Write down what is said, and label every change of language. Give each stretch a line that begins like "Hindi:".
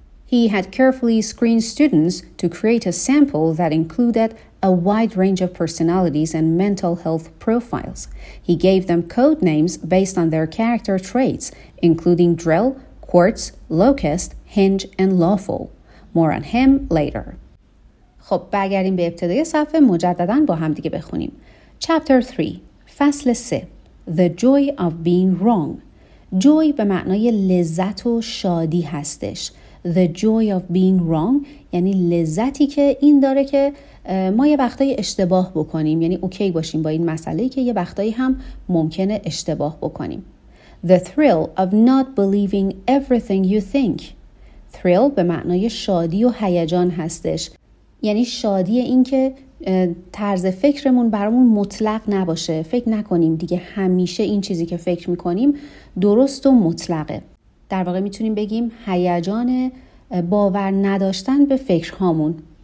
English: He had carefully screened students to create a sample that included a wide range of personalities and mental health profiles. He gave them code names based on their character traits, including Drill, Quartz, Locust, Hinge, and Lawful. More on him later.
Persian: خب برگردیم به ابتدای صفحه مجدداً با هم دیگه بخونیم.
English: Chapter 3.
Persian: فصل 3.
English: The Joy of Being Wrong.
Persian: Joy به معنای لذت و شادی هستش.
English: The joy of being wrong
Persian: یعنی لذتی که این داره که ما یه وقتایی اشتباه بکنیم، یعنی اوکی باشیم با این مسئله که یه وقتایی هم ممکنه اشتباه بکنیم.
English: The thrill of not believing everything you think.
Persian: Thrill به معنای شادی و هیجان هستش، یعنی شادی این که طرز فکرمون برامون مطلق نباشه، فکر نکنیم دیگه همیشه این چیزی که فکر میکنیم درست و مطلقه. در واقع میتونیم بگیم هیجان باور نداشتن به فکرهامون.